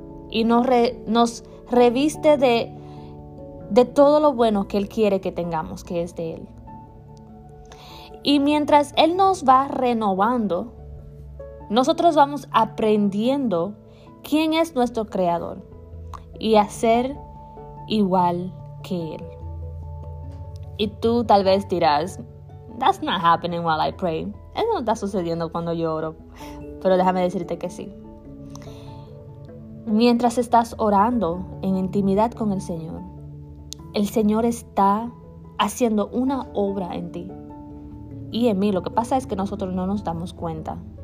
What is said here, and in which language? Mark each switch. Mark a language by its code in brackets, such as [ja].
[es] Y nos reviste de todo lo bueno que Él quiere que tengamos, que es de Él. Y mientras Él nos va renovando, nosotros vamos aprendiendo quién es nuestro Creador y a ser igual que Él. Y tú tal vez dirás, [en] that's not happening while I pray. [es] Eso no está sucediendo cuando yo oro. Pero déjame decirte que sí. mientras estás orando en intimidad con el Señor está haciendo una obra en ti y en mí. Lo que pasa es que nosotros no nos damos cuenta.